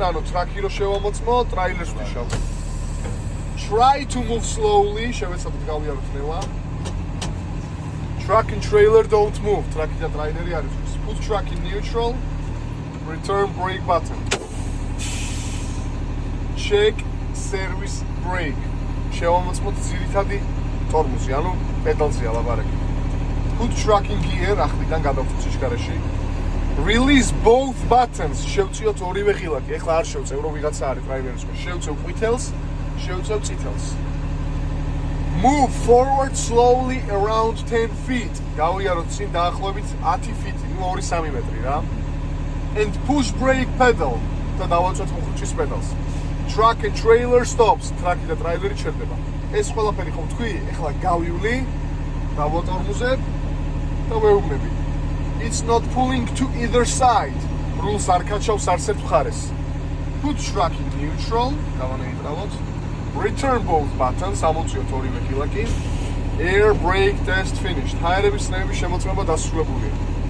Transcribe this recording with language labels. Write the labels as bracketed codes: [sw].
[ka] ანუ truck-ი რო შევამოწმო, ტრეილერს ვნიშნავ. [en] Try to move slowly. [ka] შევეცადოთ გავიაროთ ნელა. [en] Truck and trailer don't move. Truck and trailer are in neutral. Put truck in neutral. Return brake button. Check service brake. [ka] შევამოწმოთ ძირითადი ტორმუზი, ანუ პედალზე ალაბარები. [en] Put truck in gear, [ka] ახლიდან გადავხვით სიჩქარეში. [en] Release both buttons. [ka] შევწიოთ ორივე ღილაკი. ეხლა არ შევწევ, რომ ვიღაცა არის ტრაილერის ქვეშ. შევწევ ყვითელს, შევწევ წითელს. [en] Move forward slowly around 10 feet. [ka] გავიაროთ წინ დაახლოებით 10 ფიტი, ნუ 2-3 მეტრი რა. [en] And push brake pedal. [ka] და დავაწყოთ მუხრჩის პედალს. [en] Truck and trailer stops. [ka] Truck-ი და ტრეილერი ჩერდება. ეს ყველაფერი ხომ თქვი? ეხლა გავივლი, დავატორმუზებ და ვეუბნები. [en] It's not pulling to either side. [ka] Rules არ კაჩავს არცერთ მხარეს. [en] Put truck in neutral. [ka] გავანეიტრალოთ. [en] return both buttons, [ka] ამოწიოთ ორივე ქილაკი. [en] Air brake test finished. [ka] Tire-ების ნები შემოწმება დასრულებულია.